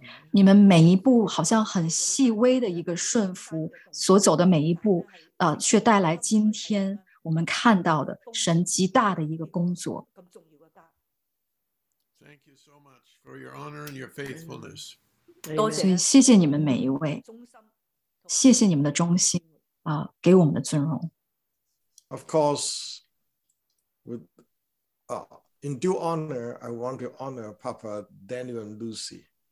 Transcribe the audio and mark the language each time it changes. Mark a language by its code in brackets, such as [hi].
[zh] 你们每一步好像很细微的一个顺服，所走的每一步，却带来今天我们看到的神极大的一个工作。 [en] Thank you so much for your honor and your faithfulness. [zh] 所以谢谢你们每一位，谢谢你们的忠心，给我们的尊荣。 [en] Of course, with In due honor, I want to honor Papa Daniel and Lucy.